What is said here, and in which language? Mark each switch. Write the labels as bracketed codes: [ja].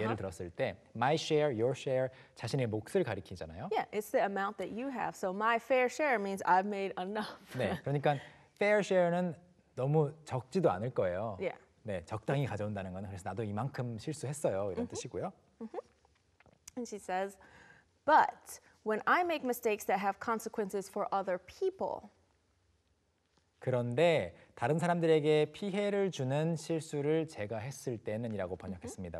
[ko] 예를 들었을 때 [en] my share, your share [ko] 자신의 몫을 가리키잖아요. [en] Yeah, it's the amount that you have. So my fair share means I've made enough. [ko] 네, 그러니까 fair share는 너무 적지도 않을 거예요. [en] Yeah. [ko] 네, 적당히 가져온다는 건 그래서 나도 이만큼 실수했어요 이런 mm-hmm. 뜻이고요. [en] Mm-hmm. And she says, but when I make mistakes that have consequences for other people. [ko] 그런데 다른 사람들에게 피해를 주는 실수를 제가 했을 때는 이라고 번역했습니다.